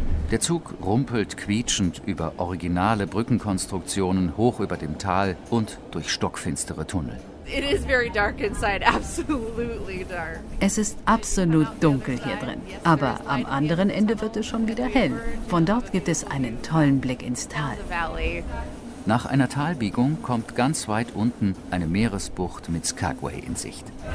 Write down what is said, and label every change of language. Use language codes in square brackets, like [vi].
[de] Der Zug rumpelt quietschend über originale Brückenkonstruktionen hoch über dem Tal und durch stockfinstere Tunnel. [en] It is very dark inside, absolutely dark. [de] Es ist absolut dunkel hier drin, aber am anderen Ende wird es schon wieder hell. Von dort gibt es einen tollen Blick ins Tal. Nach einer Talbiegung kommt ganz weit unten eine Meeresbucht mit Skagway in Sicht.